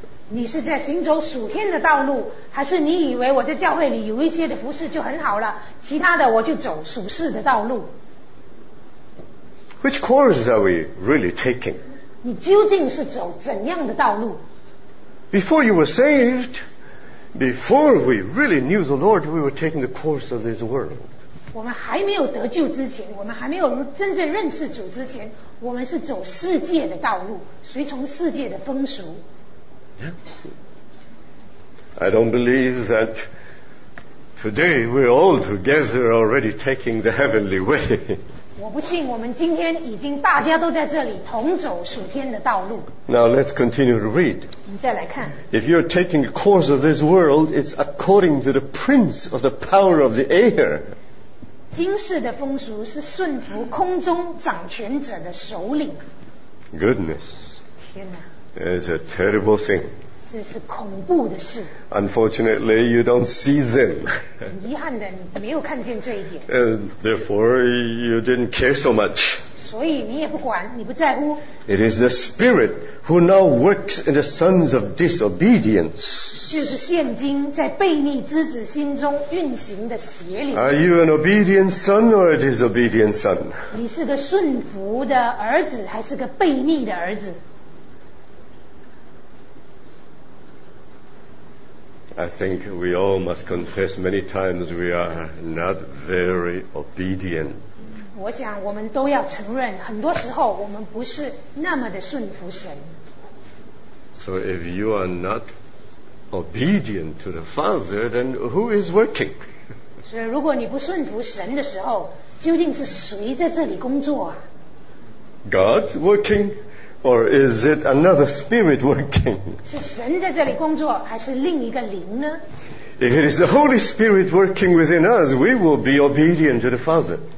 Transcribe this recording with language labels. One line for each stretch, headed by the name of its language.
Chinese: 你是在行走属天的道路，还是你以为我在教会里有一些的服事就很好了，其他的我就走属世的道路？
English: Which course are we really taking?
Chinese: 你究竟是走怎样的道路？
English: Before you were saved, before we really knew the Lord, we were taking the course of this world.
Chinese: 我们还没有得救之前，我们还没有真正认识主之前，我们是走世界的道路，随从世界的风俗。
English: I don't believe that today we're all together already taking the heavenly way.
Chinese: 我不信我们今天已经大家都在这里同走属天的道路。
English: Now let's continue to read.
Chinese: 我们再来看。
English: If you're taking the course of this world, it's according to the prince of the power of the air.
Chinese: 今世的风俗是顺服空中掌权者的首领。
English: Goodness.
Chinese: 天哪。
English: It's a terrible thing.
Chinese: 这是恐怖的事。
English: Unfortunately, you don't see them.
Chinese: 遗憾的，你没有看见这一点。
English: And therefore, you didn't care so much.
Chinese: 所以你也不管，你不在乎。
English: It is the spirit who now works in the sons of disobedience.
Chinese: 就是现今在悖逆之子心中运行的邪灵。
English: Are you an obedient son or a disobedient son?
Chinese: 你是个顺服的儿子还是个悖逆的儿子？
English: I think we all must confess many times we are not very obedient.
Chinese: 我想我们都要承认，很多时候我们不是那么的顺服神。
English: So if you are notobedient to the Father, then who is working?
Chinese: 所以如果你不顺服神的时候，究竟是谁在这里工作啊？
English: God working, or is it another spirit working?
Chinese: 是神在这里工作，还是另一个灵呢？
English: If it is the Holy Spirit working within us, we will be obedient to the Father.